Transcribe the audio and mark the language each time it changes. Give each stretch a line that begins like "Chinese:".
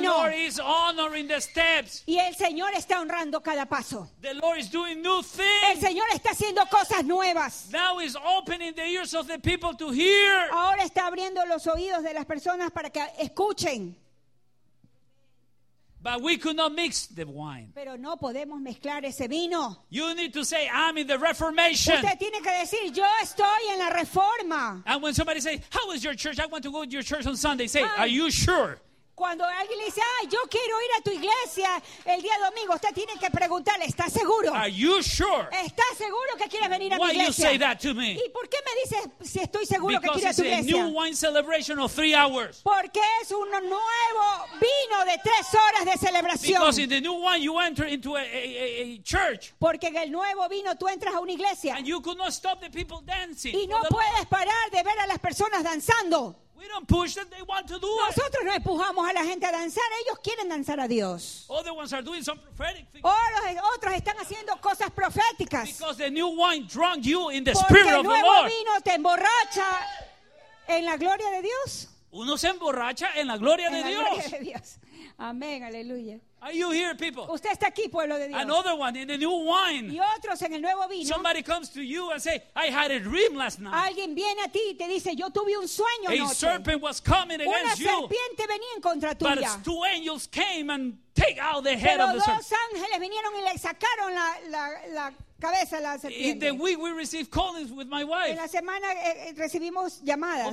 English: The Lord is honoring the steps.
Spanish: Y el Señor está honrando cada paso.
English: The Lord is doing new things.
Spanish: El Señor está haciendo cosas nuevas.
English: Now is opening the ears of the people to hear.
Spanish: Ahora está abriendo los oídos de las personas para que escuchen.
English: But we could not mix the wine.
Spanish: Pero no podemos mezclar ese vino.
English: You need to say, I'm in the Reformation.
Spanish: Usted tiene que decir, yo estoy en la Reforma.
English: And when somebody says, how is your church? I want to go to your church on Sunday. Say, are you sure?
Spanish: Cuando alguien le dice, ay, yo quiero ir a tu iglesia el día domingo, usted tiene que preguntarle, ¿estás seguro?
English: Are you sure?
Spanish: ¿Estás seguro que quieres venir a
English: why
Spanish: mi iglesia?
English: You say that to me?
Spanish: ¿Y por qué me dices si estoy seguro
English: because
Spanish: que quiero ir a tu iglesia?
English: A new wine celebration of 3 hours.
Spanish: Porque es un nuevo vino de 3 horas de celebración.
English: Because in the new wine you enter into a church.
Spanish: Porque en el nuevo vino tú entras a una iglesia.
English: And you could not stop the people dancing.
Spanish: Y no puedes parar de ver a las personas danzando.
English: We don't push them, they want to do it.
Spanish: Nosotros no empujamos a la gente a danzar, ellos quieren danzar a Dios.
English: Other ones are doing some prophetic things.
Spanish: Otros están haciendo cosas proféticas.
English: Because the new wine drunk you in the
Spanish: porque
English: spirit of the Lord.
Spanish: Porque el nuevo vino te emborracha en la gloria de Dios. Uno se emborracha en la gloria de Dios. En la gloria de Dios. Amén, aleluya.
English: Are you here, people?
Spanish: Usted está aquí, pueblo de Dios.
English: Another one in the new wine.
Spanish: Y otros en el nuevo vino.
English: Somebody comes to you and say, I had a dream last night.
Spanish: Alguien viene a ti y te dice, yo tuve un sueño anoche.
English: A serpent was coming against you.
Spanish: Una serpiente venía en contra tuya.
English: But two angels came and take out the head of the serpent.
Spanish: Pero dos ángeles vinieron y le sacaron la cabeza a la serpiente.
English: In the week we received callings with my wife.
Spanish: En la semana recibimos llamadas.